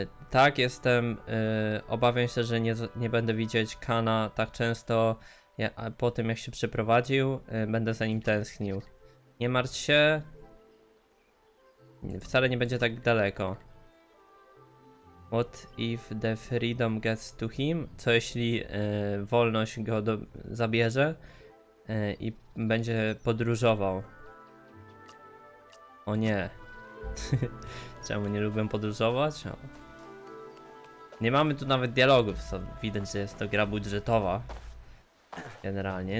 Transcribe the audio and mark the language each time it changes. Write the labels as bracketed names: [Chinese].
[Polish] Tak, jestem. Obawiam się, że nie będę widzieć Kana tak często po tym, jak się przeprowadził. Będę za nim tęsknił. Nie martw się. Wcale nie będzie tak daleko. [English] What if the freedom gets to him? [Polish] Co jeśli wolność go zabierze i będzie podróżował? O nie. Czemu nie lubię podróżować? O. Nie mamy tu nawet dialogów, co widać, że jest to gra budżetowa. Generalnie.